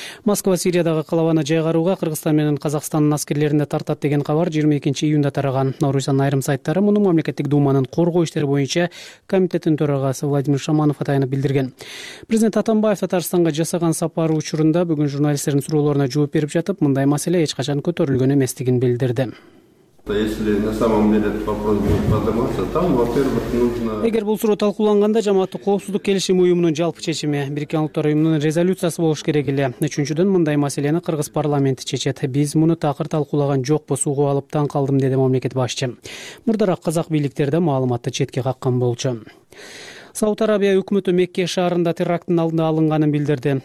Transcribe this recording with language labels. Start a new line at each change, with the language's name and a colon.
Kyrgyz: Москва Сириядагы калабаны жайгарууга Кыргызстан менен Казакстандын аскерлерин да тартат деген кабар 22 июнда тараган. Орусиянын айрым сайттары муну мамлекеттик дууманын коргоо иштери боюнча комитеттин төрагасы Владимир Шаманов атайынып билдирген. Президент Атамбаев Татарстанга жасаган сапары учурунда бүгүн журналисттердин суроолоруна жооп берип жатып, мындай маселе эч качан көтөрүлгөн эместигин билдирди.
Russian: Если на самом деле этот вопрос будет подниматься, там, во-первых, нужно...
Kyrgyz: Эгер бул суроо талкууланганда жамааттык коопсуздук келишими уюмунун жалпы чечими, Бириккен Улуттар уюмунун резолюциясы болуш керек эле. Үчүнчүдөн, мындай маселени кыргыз парламенти чечет. Биз муну такыр талкуулаган жокпу, сууга алып таң калдым, деди мамлекет башчы. Мурдараак казак бийликтери да маалыматты четке каккан болчу. Сауд Арабия өкмөтү Мекке шаарында терактын алдына алынганын билдирди.